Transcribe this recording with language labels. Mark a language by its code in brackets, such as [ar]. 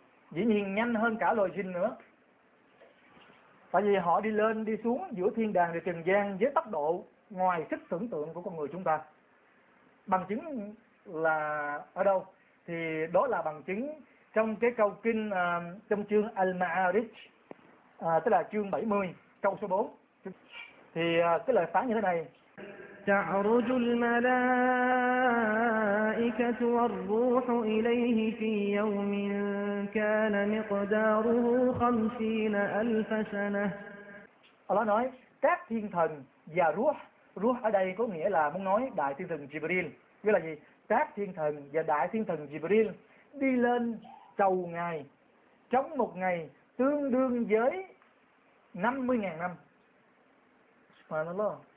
[vi] Dĩ nhiên nhanh hơn cả loài jin nữa. Tại vì họ đi lên đi xuống giữa thiên đàng và trần gian với tốc độ ngoài sức tưởng tượng của con người chúng ta. Bằng chứng là ở đâu? Thì đó là bằng chứng trong cái câu kinh trong chương Al-Ma'arij, tức là chương 70, câu số 4. Thì cái lời phán như thế này: [ar] تعرج الملائكة والروح إليه في يوم كان مقداره 50,000 سنة. [vi] Allah nói các thiên thần và ruh, ruh ở đây có nghĩa là muốn nói đại thiên thần Jibril, nghĩa là gì? Các thiên thần và đại thiên thần Jibril đi lên chầu Ngài trong một ngày tương đương với 50,000 năm. Subhanallah.